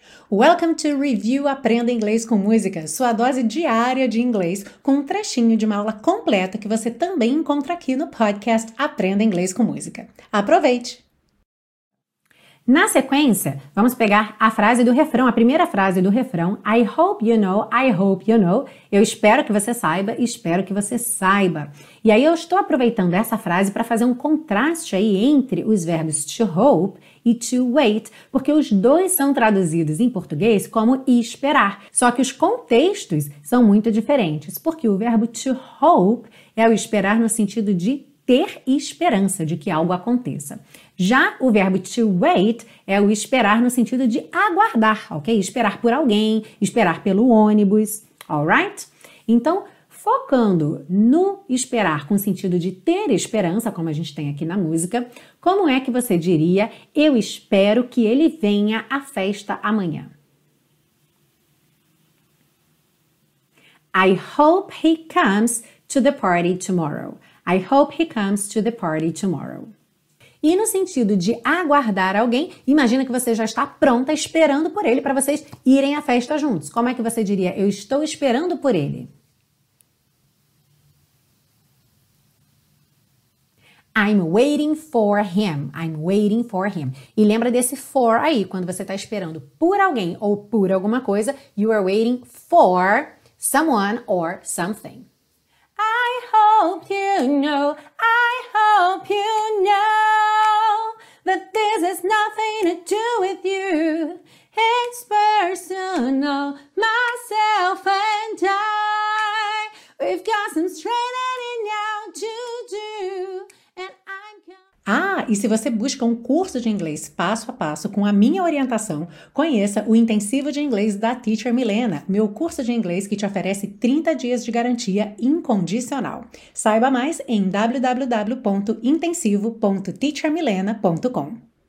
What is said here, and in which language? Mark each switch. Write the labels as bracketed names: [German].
[English] Welcome to [Portuguese] Review Aprenda Inglês com Música, sua dose diária de inglês, com um trechinho de uma aula completa que você também encontra aqui no podcast Aprenda Inglês com Música. Aproveite! Na sequência, vamos pegar a frase do refrão, a primeira frase do refrão. [English] I hope you know, I hope you know. [Portuguese] Eu espero que você saiba, espero que você saiba. E aí eu estou aproveitando essa frase para fazer um contraste aí entre os verbos to hope e to wait, porque os dois são traduzidos em português como esperar. Só que os contextos são muito diferentes, porque o verbo to hope é o esperar no sentido de ter esperança de que algo aconteça. Já o verbo to wait é o esperar no sentido de aguardar, ok? Esperar por alguém, esperar pelo ônibus, alright? Então, focando no esperar com sentido de ter esperança, como a gente tem aqui na música, como é que você diria, eu espero que ele venha à festa amanhã? [English] I hope he comes to the party tomorrow. I hope he comes to the party tomorrow. [Portuguese] E no sentido de aguardar alguém, imagina que você já está pronta esperando por ele para vocês irem à festa juntos. Como é que você diria, eu estou esperando por ele? [English] I'm waiting for him. [Portuguese] I'm waiting for him. E lembra desse for aí, quando você está esperando por alguém ou por alguma coisa, [English] you are waiting for someone or something. I hope you know, I hope you know that this has nothing to do with you. It's personal, myself and I. We've got some straightening out to do. [Portuguese] Ah, e se você busca um curso de inglês passo a passo com a minha orientação, conheça o Intensivo de Inglês da Teacher Milena, meu curso de inglês que te oferece 30 dias de garantia incondicional. Saiba mais em www.intensivo.teachermilena.com.